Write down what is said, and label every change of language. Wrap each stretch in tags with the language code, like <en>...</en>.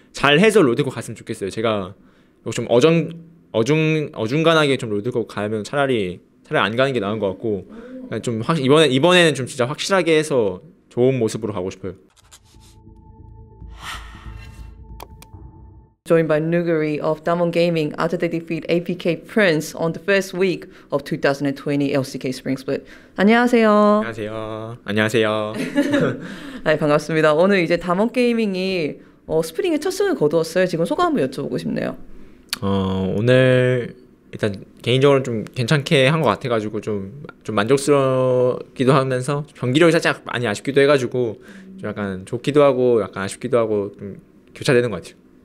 <ko>잘 해서 롤드컵 갔으면 좋겠어요. 제가 좀 어중간하게 좀 롤드컵 가면 차라리 안 가는 게 나은 것 같고, 좀 이번에는 좀 진짜 확실하게 해서 좋은 모습으로 가고 싶어요.</ko> <en>Joined by Nuguri of Damwon Gaming after they defeat APK Prince on the first week of 2020 LCK Spring Split.</en> <ko>안녕하세요. 안녕하세요. 네, 반갑습니다. 오늘 이제 담원 게이밍이 스프링의 첫 승을 거두었어요. 지금 소감 한번 여쭤보고 싶네요. 오늘 일단 개인적으로 좀 괜찮게 한것 같아가지고 좀 만족스럽기도 하면서 경기력이 살짝 많이 아쉽기도 해가지고 좀 약간 좋기도 하고 약간 아쉽기도 하고 좀 교차되는 것 같아요.</ko>